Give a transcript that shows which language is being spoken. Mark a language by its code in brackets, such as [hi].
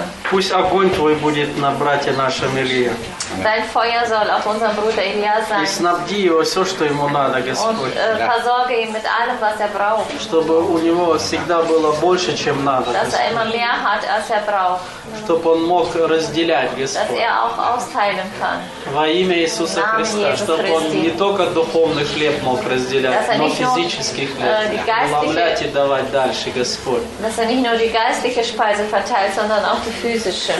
[ru] пусть огонь твой будет на брате нашем Илье. [de] Dein Feuer soll auf unserem Bruder Илья sein. [ru] И снабди его все, что ему надо, Господь. [de] Und versorge ihn mit allem, was er braucht. [ru] Чтобы у него всегда было больше, чем надо. [de] Dass er immer mehr hat, als er braucht. [ru] Чтобы он мог разделять, Господь. [de] Dass er auch austeilen kann. [ru] Во имя Иисуса Христа, чтобы он не только духовный хлеб мог разделять, но физический хлеб. Умовлять и давать дальше, Господь. [de] Dass er nicht nur die geistliche Speise verteilt, sondern auch die physische.